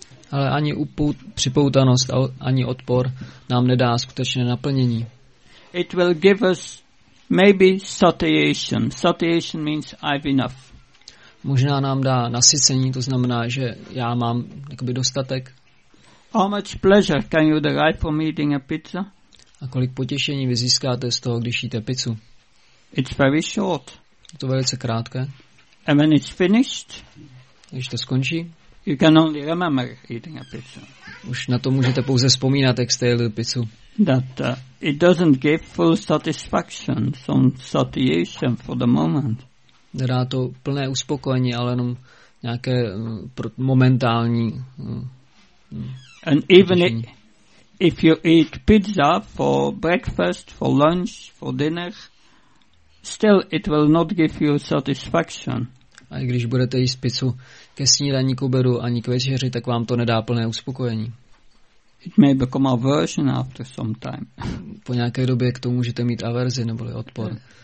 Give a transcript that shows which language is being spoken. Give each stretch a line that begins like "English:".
Czech: Ale ani připoutanost ani odpor nám nedá skutečné naplnění.
English: It will give us maybe satiation. Satiation means I've enough.
Czech: Možná nám dá nasycení, to znamená, že já mám jakoby dostatek.
English: How much pleasure can you derive from eating a pizza?
Czech: A kolik potěšení vy získáte z toho, když jíte pizzu?
English: It's very short.
Czech: Je to velice krátké.
English: And when it's finished?
Czech: Když to skončí?
English: You can only remember eating a pizza.
Czech: Už na to můžete pouze vzpomínat, jak jste jeli pizzu.
English: That it doesn't give full satisfaction, some satiation for the moment.
Czech: Nedá to plné uspokojení, ale jenom nějaké momentální.
English: And even if you eat pizza for breakfast, for lunch, for dinner, still it will not give you satisfaction.
Czech: A i když budete jíst pizzu ke snídaní, k obědu ani k večeři, tak vám to nedá plné uspokojení.
English: It may become aversion after some time.
Czech: Po nějaké době k tomu můžete mít averzi neboli odpor.